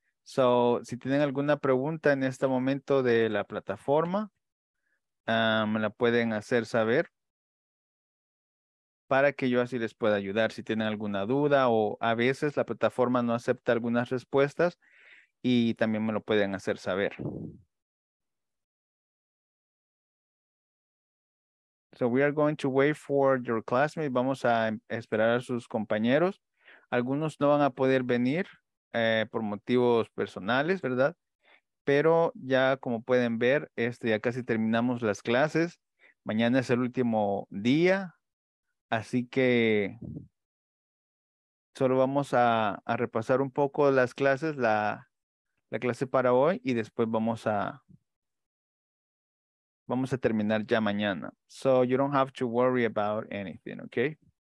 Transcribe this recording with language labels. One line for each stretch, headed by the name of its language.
Spanish: So, si tienen alguna pregunta en este momento de la plataforma, me la pueden hacer saber para que yo así les pueda ayudar. Si tienen alguna duda o a veces la plataforma no acepta algunas respuestas y también me lo pueden hacer saber.
English: So we are going to wait for your classmates.
Spanish: Vamos a esperar a sus compañeros. Algunos no van a poder venir por motivos personales, ¿verdad? Pero ya como pueden ver, ya casi terminamos las clases. Mañana es el último día. Así que solo vamos a repasar un poco las clases, la clase para hoy, y después vamos a terminar ya mañana.
English: So you don't have to worry about anything, okay?